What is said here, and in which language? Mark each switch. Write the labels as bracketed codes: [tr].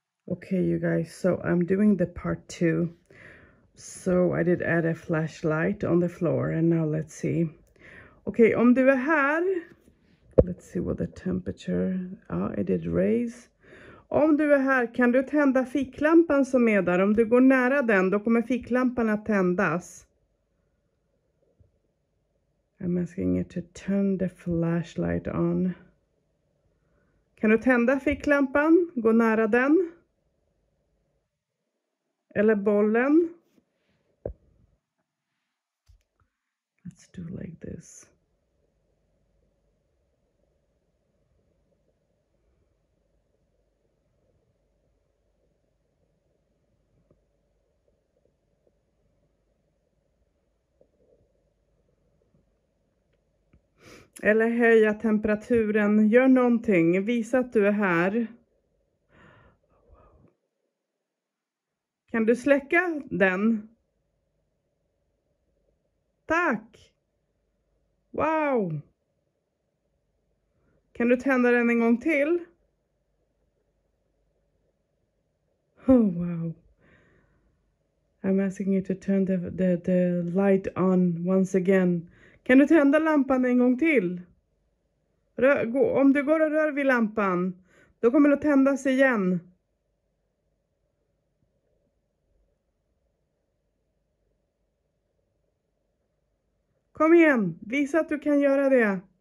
[en] Okay, you guys, so I'm doing the part two. So I did add a flashlight on the floor, and now let's see. [sv] Okay, om du är här. [en] Let's see what the temperature. Ah, it did raise. [sv] Om du är här, kan du tända ficklampan som är där? Om du går nära den, då kommer ficklampan att tändas. [en] I'm asking you to turn the flashlight on. [sv] Kan du tända ficklampan? Gå nära den. Eller bollen. [en] Let's do like this. [sv] Eller höja temperaturen. Gör någonting. Visa att du är här. Kan du släcka den? Tack! Wow! Kan du tända den en gång till? [en] Oh wow! I'm asking you to turn the light on once again. [sv] Kan du tända lampan en gång till? Om du går och rör vid lampan, då kommer det att tändas igen. Kom igen, visa att du kan göra det.